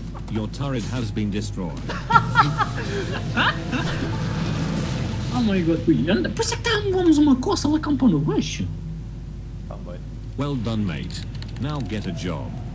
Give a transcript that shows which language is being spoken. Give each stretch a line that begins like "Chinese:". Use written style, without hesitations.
English: Your turret has been destroyed. Oh my god, William!
Portuguese: Por isso é que estávamos uma coça, ela campou no baixo!
English: Well done, mate. Now get a job.